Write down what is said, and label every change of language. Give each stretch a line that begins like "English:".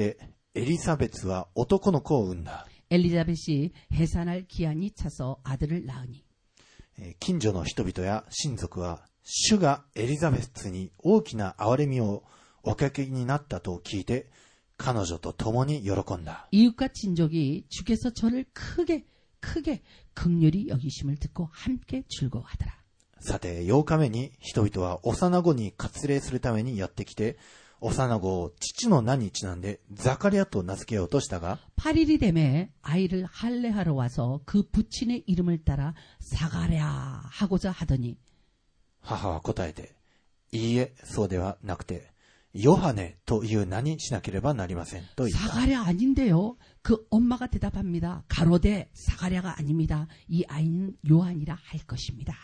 Japanese: さて月が満ちてエリザベツは男の子を産んだ
Korean: 엘리자벳이 해산할 기한이 차서 아들을 낳으니
Japanese: 近所の人々や親族は主がエリザベスに大きな憐れみを おかけになったと聞いて彼女と共に喜んだ
Korean: 이웃과 친족이 주께서 저를 크게 긍휼히 여기심을 듣고 함께 즐거워하더라.
Japanese: さて8日目に人々は幼子に割礼するためにやってきて幼子を父の名にちなんでザカリアと名付けようとしたが
Korean: 8일이 되매 아이를 할례하러 와서 그 부친의 이름을 따라 사가랴 하고자 하더니
Japanese: 母は答えていいえそうではなくて ヨハネという名にしなければなりませんと言った
Korean: 사가랴 아닌데요. 그 엄마가 대답합니다. 가로대 사가랴가 아닙니다. 이 아이는 요한이라 할 것입니다.